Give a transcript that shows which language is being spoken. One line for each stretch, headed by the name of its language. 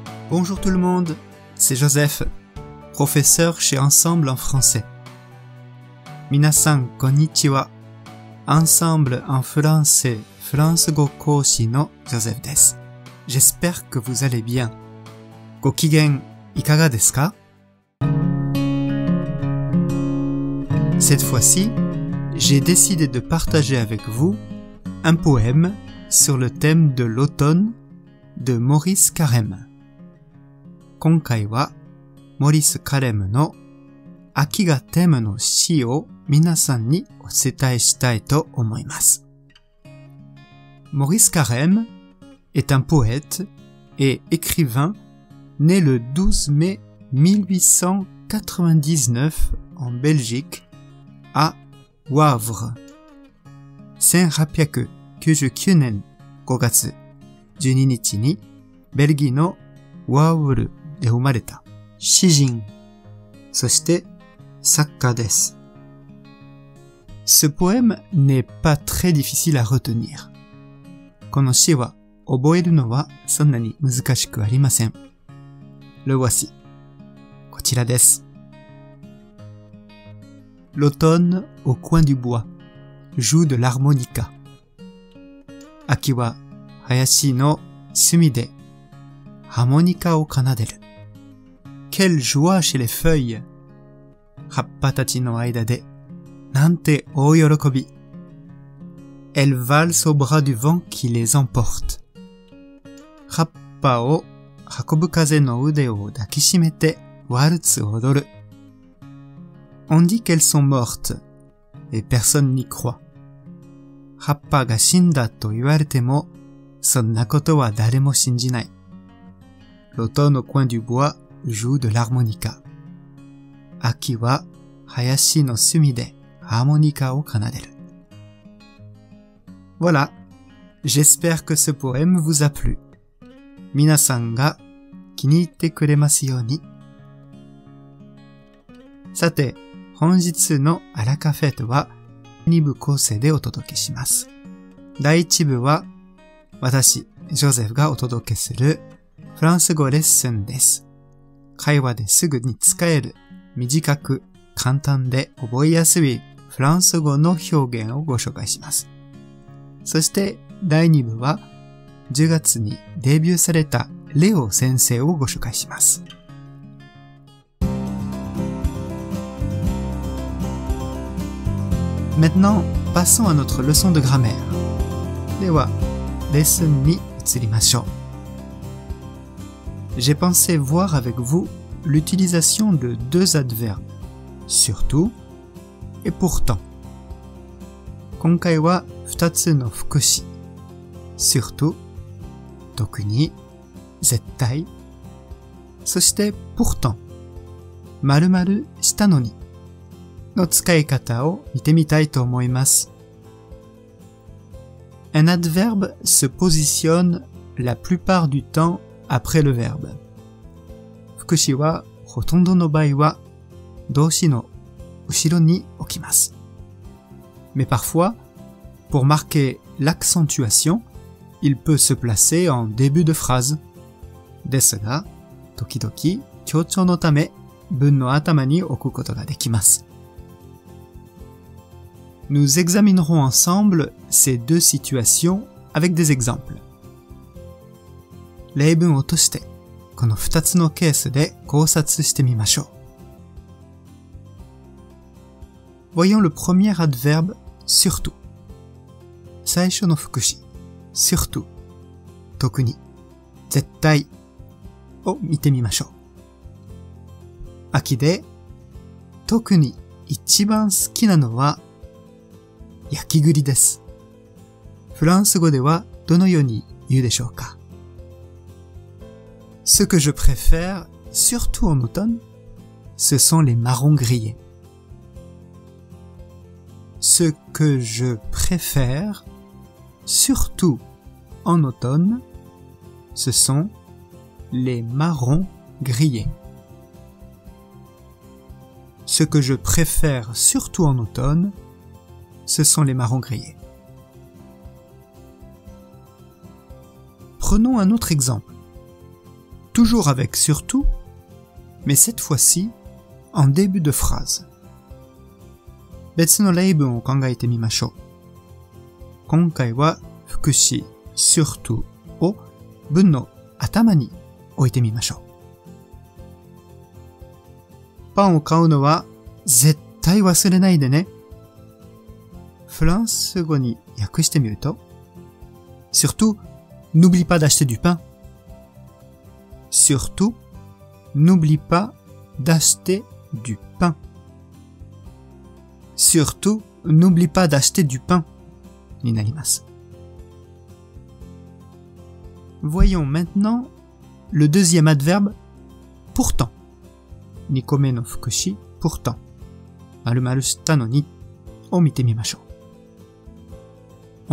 French: Bonjour tout le monde, c'est Joseph, professeur chez Ensemble en français.
Japanese: 皆さんこんにちは。 Ensemble en français フランス語講師の Joseph です。
French: J'espère que vous allez bien.
Japanese: ご機嫌いかがですか?
French: Cette fois-ci, j'ai décidé de partager avec vous un poème sur le thème de l'automne de Maurice Carême.
Japanese: 今回は、Maurice Carême の秋がテーマの詩を皆さんにお伝えしたいと思います。
French: Maurice Carême est un poète et écrivain né le 12 mai 1899 en Belgique à Wavre. Saint-Rapiac-Kujukunen, Gogats, Juninitini, Belgino, Wavre, de Humareta, Shijin, Soste, Sakkades. Ce poème n'est pas très difficile à retenir.
Japanese: Kono shi wa, oboeru no wa, sonna ni muzukashiku arimasen.
French: Le voici.
Japanese: こちらです。
French: L'automne au coin du bois joue de l'harmonica.
Japanese: 秋は林の隅でハーモニカを奏でる。
French: Quelle joie chez les feuilles!
Japanese: 葉っぱたちの間でなんて大喜び。
French: Elles valsent au bras du vent qui les emporte.
Japanese: 葉っぱを運ぶ風の腕を抱きしめてワルツを踊る。
French: On dit qu'elles sont mortes, et personne n'y croit.
Japanese: 葉っぱが死んだと言われても、そんなことは誰も信じない。
French: L'automne au coin du bois joue de l'harmonica.
Japanese: 秋は林の隅でハーモニカを奏でる。
French: Voilà, j'espère que ce poème vous a plu.
Japanese: 皆さんが気に入ってくれますように。さて、本日のアラカフェとは2部構成でお届けします。第1部は私、ジョゼフがお届けするフランス語レッスンです。会話ですぐに使える短く簡単で覚えやすいフランス語の表現をご紹介します。そして第2部は10月にデビューされたレオ先生をご紹介します。
French: Maintenant, passons à notre leçon de grammaire.
Japanese: では、レッスンに移りましょう。
French: J'ai pensé voir avec vous l'utilisation de deux adverbes, surtout et pourtant.
Japanese: 今回は2つの副詞、surtout、特に、絶対。そして、pourtant、〇〇したのに、の使い方を見てみたいと思います。
French: Un adverbe se positionne la plupart du temps après le verbe.
Japanese: 副詞は、ほとんどの場合は、動詞の後ろに置きます。
French: Mais parfois, pour marquer l'accentuation,Il peut se placer en début de phrase.
Japanese: ですが、時々、強調のため、文の頭に置くことができます。
French: Nous examinerons ensemble ces deux situations avec des exemples.
Japanese: 例文を通して、この二つのケースで考察してみましょう。
French: Voyons le premier adverbe, surtout.
Japanese: 最初の副詞。 Surtout, 特に、絶対を見てみましょう。秋で、特に一番好きなのは、焼き栗です。フランス語ではどのように言うでしょうか。
French: Ce que je préfère, surtout en automne, ce sont les marrons grillés. Ce que je préfère, surtout en automne, ce sont les marrons grillée. Ce que je préfère surtout en automne, ce sont les marrons grillés. Prenons un autre exemple. Toujours avec surtout, mais cette fois-ci en début de phrase.
Japanese: 別の例文を考えてみましょう。今回は副詞 surtout を文の頭に置いてみましょう。パンを買うのは絶対忘れないでね。フランス語に訳してみると、
French: surtout n'oublie pas d'acheter du pain。 surtout n'oublie pas d'acheter du pain。 surtout n'oublie pas d'acheter du pain。
Japanese: になります。
French: Voyons maintenant le deuxième adverbe, pourtant.
Japanese: 2個目の副詞 pourtant. 〇〇したのにを見てみましょう。